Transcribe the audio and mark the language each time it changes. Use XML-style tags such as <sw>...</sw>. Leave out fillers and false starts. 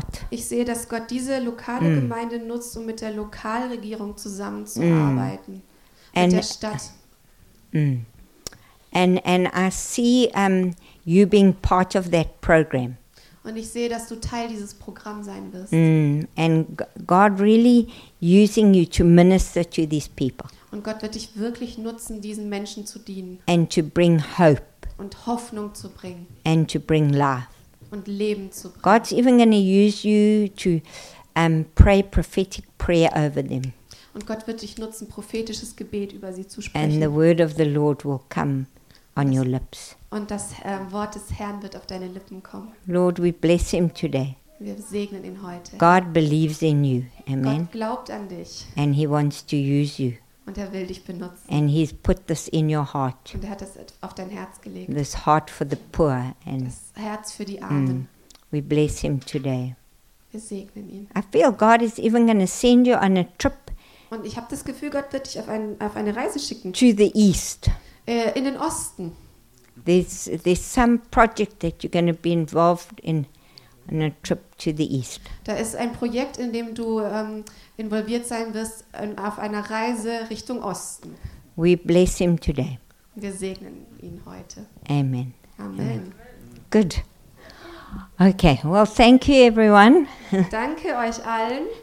<de>Ich sehe, dass Gott diese lokale Gemeinde nutzt, um mit der Lokalregierung zusammenzuarbeiten, mit der Stadt.</de> <en>And I see you being part of that program.</en> <de>Und ich sehe, dass du Teil dieses Programms sein wirst.</de> <en>And God really using you to minister to these people.</en> <de>Und Gott wird dich wirklich nutzen, diesen Menschen zu dienen.</de> <en>And to bring hope.</en> <de>Und Hoffnung zu bringen.</de> <en>And to bring life.</en> <de>Und Leben zu bringen.</de> <en>God's even going to use you to pray prophetic prayer over them.</en> <de>Und Gott wird dich nutzen, prophetisches Gebet über sie zu sprechen.</de> <en>And the word of the Lord will come on your lips.</en> <de>Und das Wort des Herrn wird auf deine Lippen kommen.</de> <en>Lord, we bless him today.</en> <de>Wir segnen ihn heute.</de> <en>God believes in you. Amen.</en> <de>Gott glaubt an dich.</de> <en>And he wants to use you.</en> <de>Und er will dich benutzen.</de> <en>And he's put this in your heart.</en> <de>Und er hat das auf dein Herz gelegt.</de> <en>This heart for the poor and</en> <de>das Herz für die Armen.</de> <en>We bless him today.</en> <de>Wir segnen ihn.</de> <en>I feel God is even going to send you on a trip.</en> <de>Und ich habe das Gefühl, Gott wird dich auf eine Reise schicken.</de> <en>To the east.</en> <de>In den Osten.</de> <en>There's some project that you're going to be involved in on a trip to the east.</en> <de>Da ist ein Projekt, in dem du involviert sein wirst auf einer Reise Richtung Osten.</de> <en>We bless him today.</en> <de>Wir segnen ihn heute.</de> <en>Amen. Amen. Amen. Good. Okay, well, thank you, everyone.</en> <de>Danke euch allen.</de>